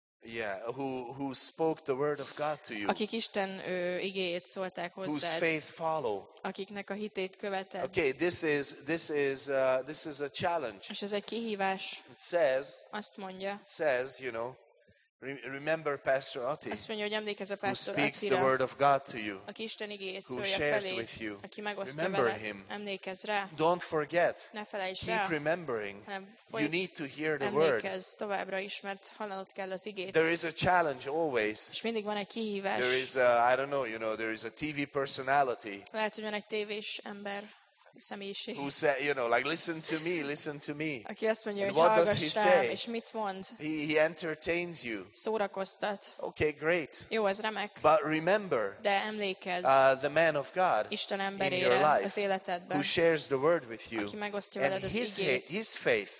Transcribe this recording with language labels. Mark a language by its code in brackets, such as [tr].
[en] Yeah, who spoke the word of God to you? [hu] Akik Isten igéjét szólták hozzád. [en] Whose faith follow? [hu] Akiknek a hitét követed. [en] Okay, this is a challenge. [hu] És ez egy kihívás. [en] It says. [hu] Azt mondja. [en] Says, you know, remember Pastor Ati. [hu] Azt mondja, hogy emlékezz a Pastor Atira. [en] Who speaks the word of God to you? [hu] Aki Isten igéjét szólja feléd. [en] Who shares with you? [hu] Aki megosztja veled. [en] Remember him. [hu] Emlékezz rá. [en] Don't forget. [hu] Ne felejts rá. [en] Keep remembering. You need to hear the word. [hu] Emlékezz továbbra is, mert hallanod kell az igét. [en] There is a challenge always. [hu] És mindig van egy kihívás. [en] There is a, I don't know, you know, there is a TV personality. [hu] Lehet, hogy van egy tévés ember. Személyiség. [en] Who said, you know, like listen to me. [hu] Aki azt mondja, hogy hallgass rám, és mit mond? [en] He entertains you. [hu] Szórakoztat. [en] Okay, great. [hu] Jó, ez remek. [en] But remember. [hu] De emlékezz. [en] The man of God. [hu] Isten emberére az életedben. [en] Who shares the word with you? [hu] Aki megosztja veled az igét. [en] His faith.